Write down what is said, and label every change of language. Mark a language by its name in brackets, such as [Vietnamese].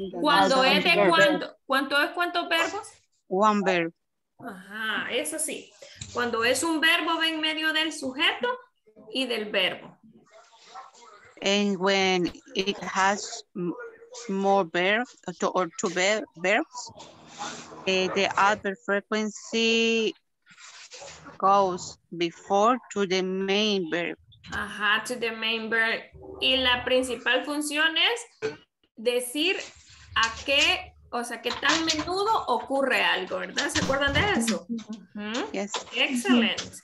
[Spanish] Cuando es de cuánto, ¿cuánto es cuántos verbos? [English] One verb. [Spanish] Ajá, eso sí. Cuando es un verbo, va en medio del sujeto y del verbo. [English] And when it has more verbs or two verbs, the adverb frequency goes before to the main verb. Ajá, to the main verb. [Spanish] Y la principal función es decir a qué. O sea, que tan menudo ocurre algo, ¿verdad? ¿Se acuerdan de eso? [English] Uh-huh. Yes. Excellent.